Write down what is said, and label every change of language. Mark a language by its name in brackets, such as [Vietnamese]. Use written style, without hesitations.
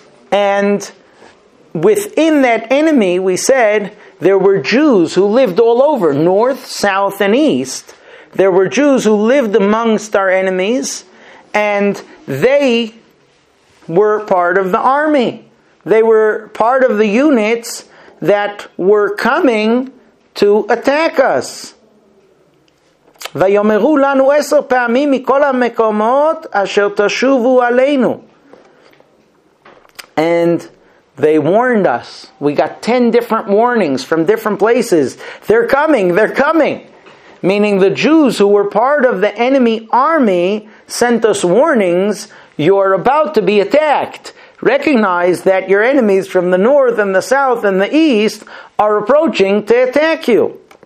[English] And within that enemy, we said, there were Jews who lived all over, north, south, and east. There were Jews who lived amongst our enemies, and they were part of the army. They were part of the units that were coming to attack us. [Hebrew] ויאמרו לנו 10 פעמים מכל המקומות אשר תשובו עלינו. [English] And they warned us. We got 10 different warnings from different places. They're coming, they're coming. Meaning the Jews who were part of the enemy army sent us warnings, you're about to be attacked. Recognize that your enemies from the north and the south and the east are approaching to attack you.